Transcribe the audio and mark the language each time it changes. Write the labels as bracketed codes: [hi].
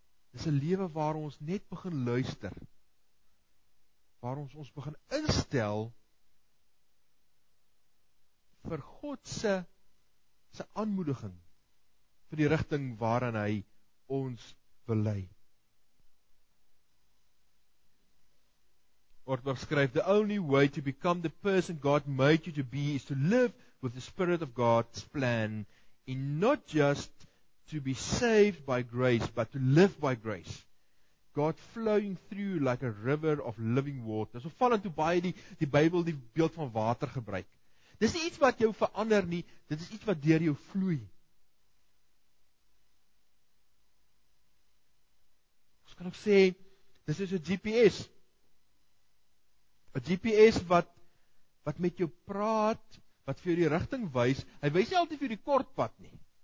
[af] Dis 'n lewe waar ons net begin luister, waar ons begin instel vir God se aanmoediging, vir die rigting waarin hy ons wil lei. [en] Ortberg [af] skryf, [en] "The only way to become the person God made you to be is to live with the Spirit of God's plan in not just to be saved by grace, but to live by grace. God flowing through like a river of living water." [af] So val into baie die Bybel die beeld van water gebruik. Dis nie iets wat jou verander nie, dit is iets wat deur jou vloei. Ons kan ook sê, dis is 'n GPS. 'n GPS wat met jou praat, wat vir jou die rigting wys, hy wys nie altyd vir die kort pad nie.